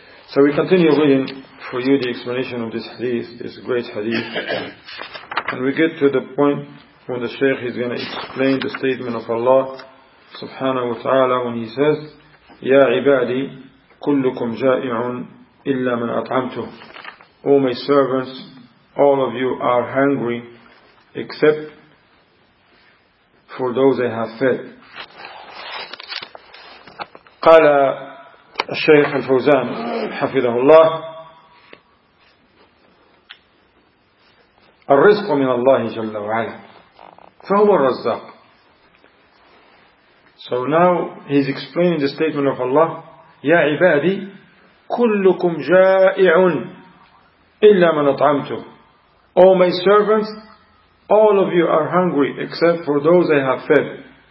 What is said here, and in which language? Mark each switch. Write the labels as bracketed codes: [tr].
[en] So we continue reading for you the explanation of this hadith, this great hadith, and we get to the point when the Shaykh is going to explain the statement of Allah subhanahu wa ta'ala when he says, [ar] Ya ibadi, kullukum ja'i'un illa man at'amtuh. [en] O my servants, all of you are hungry except for those they have fed. [ar] قال الشيخ الفوزان حفظه الله الرزق من الله جل وعلا فهو الرزاق. [en] So now he's explaining the statement of Allah, [ar] يا عبادي كلكم جائع إلا من أطعمته. [en] O my servants, all of you are hungry except for those I have fed.